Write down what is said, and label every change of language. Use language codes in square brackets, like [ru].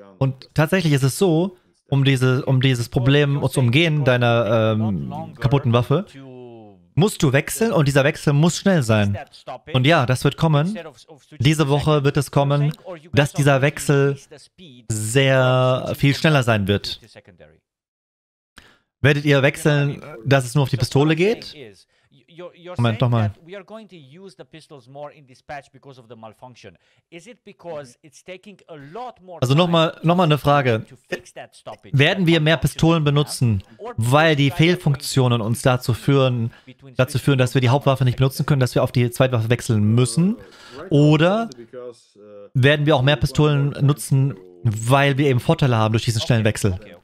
[de] Und tatsächlich ist es so, um dieses Problem zu umgehen, deiner kaputten Waffe, musst du wechseln und dieser Wechsel muss schnell sein. Und ja, das wird kommen. Diese Woche wird es kommen, dass dieser Wechsel sehr viel schneller sein wird. Werdet ihr wechseln, dass es nur auf die Pistole geht? [en] you're saying that we are going to use the pistols more in dispatch because of the malfunction. Is it because it's taking a lot more [de] also noch mal eine Frage. Werden wir mehr Pistolen benutzen, weil die Fehlfunktionen uns dazu führen, dass wir die Hauptwaffe nicht benutzen können, dass wir auf die Zweitwaffe wechseln müssen? Oder werden wir auch mehr Pistolen nutzen, weil wir eben Vorteile haben durch diesen schnellen Wechsel?